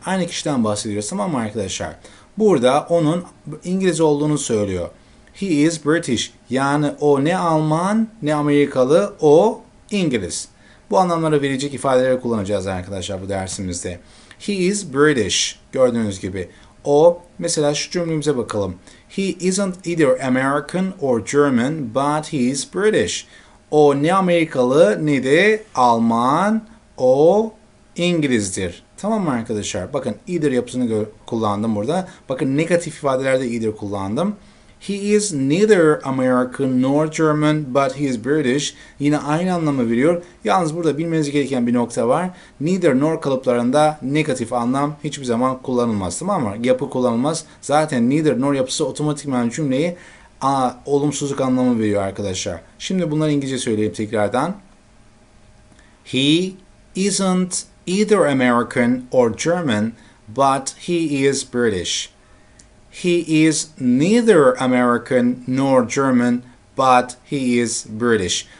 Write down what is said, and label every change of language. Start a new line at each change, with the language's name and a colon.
Turkish: Aynı kişiden bahsediyoruz, tamam mı arkadaşlar? Burada onun İngiliz olduğunu söylüyor.
English: He is British.
Turkish: Yani o ne Alman ne Amerikalı, o İngiliz. Bu anlamları verecek ifadeleri kullanacağız arkadaşlar bu dersimizde.
English: He is British.
Turkish: Gördüğünüz gibi. O mesela şu cümlemize bakalım.
English: He isn't either American or German, but he is British.
Turkish: O ne Amerikalı ne de Alman, o İngilizdir. Tamam mı arkadaşlar? Bakın either yapısını kullandım burada. Bakın negatif ifadelerde either kullandım.
English: He is neither American nor German, but he is British.
Turkish: Yine aynı anlamı veriyor. Yalnız burada bilmeniz gereken bir nokta var. Neither nor kalıplarında negatif anlam hiçbir zaman kullanılmaz. Tamam mı? Yapı kullanılmaz. Zaten neither nor yapısı otomatikman cümleyi olumsuzluk anlamı veriyor arkadaşlar. Şimdi bunları İngilizce söyleyeyim tekrardan.
English: He isn't either American or German, but he is British. He is neither American nor German, but he is British.